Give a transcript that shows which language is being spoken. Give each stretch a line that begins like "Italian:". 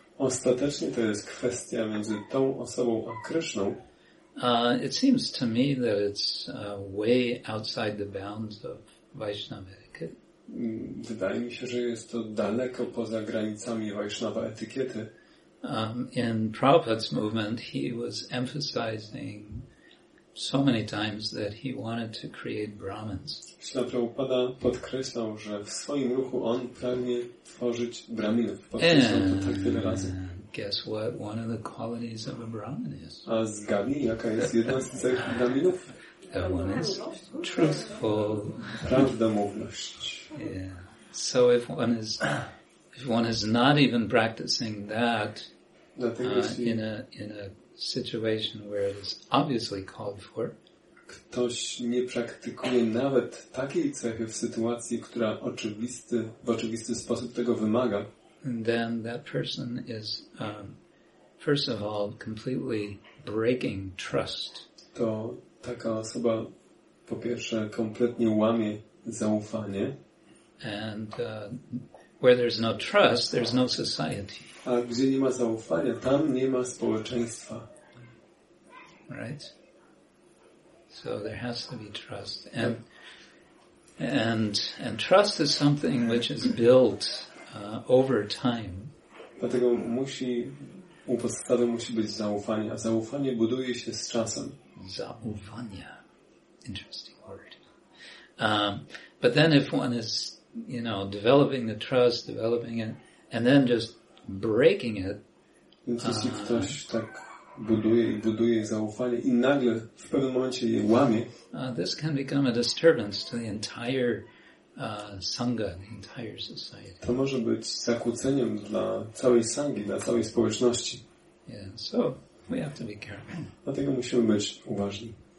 Polish: Ostatecznie to jest kwestia między tą osobą a Krishną.
English: It seems to me that it's way outside the bounds of Vaishnava etiquette.
Polish: Wydaje mi się, że jest to daleko poza granicami Vaishnava etykiety.
English: In Prabhupada's movement, he was emphasizing so many times that he wanted to create Brahmins.
Polish: Śla Prabhupada podkreślał, że w swoim ruchu on pragnie tworzyć Brahminów. Podkreślał to tak wiele razy.
English: Guess what one of the qualities of a Brahmin is.
Polish: A zgadnij, jaka jest jedna z cech Brahminów?
English: That one is truthful.
Polish: Prawdomówność.
English: Yeah. So if one is not even practicing that in a situation where it is obviously called for.
Polish: Ktoś nie praktykuje nawet takiej cechy w sytuacji, która w oczywisty sposób tego wymaga.
English: And then that person is first of all completely breaking trust.
Polish: To taka osoba po pierwsze kompletnie łamie zaufanie.
English: And where there's no trust, there's no society.
Polish: A gdzie nie ma zaufania, tam nie ma społeczeństwa.
English: Right? So there has to be trust. And trust is something which is built over time.
Polish: Dlatego u podstawy musi być zaufanie, a zaufanie buduje się z czasem.
English: Zaufania. Interesting word. But then if one is, you know, developing the trust, developing it, and then just breaking it.
Polish: Więc jeśli ktoś tak buduje i buduje zaufanie i nagle w pewnym momencie je łamie.
English: This can become a disturbance to the entire sangha, the entire society.
Polish: To może być zakłóceniem dla całej sangi, dla całej społeczności.
English: Yeah, so we have to be careful.
Polish: Dlatego musimy być uważni.